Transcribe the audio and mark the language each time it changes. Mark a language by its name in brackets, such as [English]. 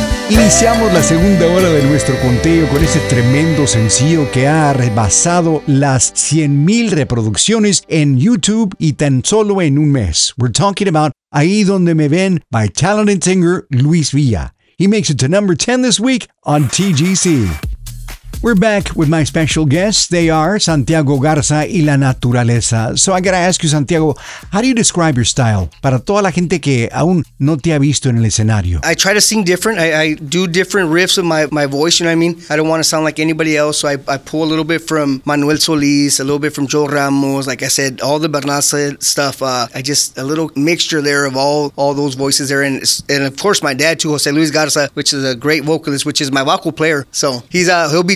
[Spanish] Iniciamos la segunda hora de nuestro conteo con ese tremendo sencillo que ha rebasado las 100,000 reproducciones en YouTube y tan solo en un mes. [English] We're talking about Ahí Donde Me Ven by talented singer Luis Villa. He makes it to number 10 this week on TGC. We're back with my special guests. They are Santiago Garza y La Naturaleza. So I gotta ask you, Santiago, how do you describe your style? [Spanish] Para toda la gente que aún no te ha visto en el escenario. [English] I try to sing different. I do different riffs with my voice, you know what I mean? I don't want to sound like anybody else. So I pull a little bit from Manuel Solis, a little bit from Joe Ramos. Like I said, all the Bernaza stuff. I just, a little mixture there of all those voices there. And of course, my dad too, Jose Luis Garza, which is a great vocalist, which is my vocal player. So he'll be